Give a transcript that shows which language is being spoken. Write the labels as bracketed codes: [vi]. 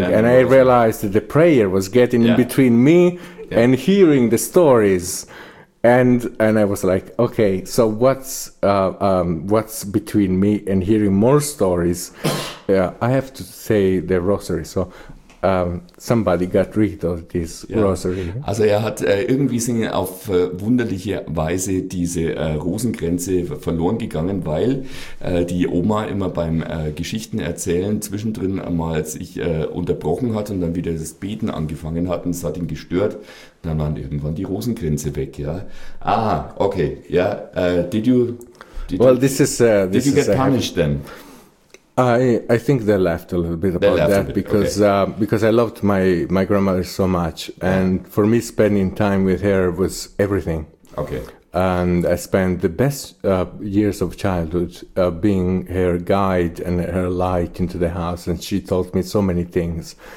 [en] Than and I realized that the prayer was getting in between me and hearing the stories. And I was like, okay, so what's between me and hearing more stories? I have to say the rosary. So somebody got rid of this rosary. [de] Also er hat irgendwie sind auf wunderliche Weise diese Rosenkränze verloren gegangen, weil die Oma immer beim Geschichten erzählen zwischendrin einmal sich unterbrochen hat und dann wieder das Beten angefangen hat und es hat ihn gestört. Dann waren irgendwann die Rosenkränze weg, ja. Ah, okay, ja. [en] Did you get punished then? I think they laughed a little bit about that because I loved my grandmother so much, and for me spending time with her was everything. Okay. And I spent the best years of childhood being her guide and her light into the house, and she taught me so many things.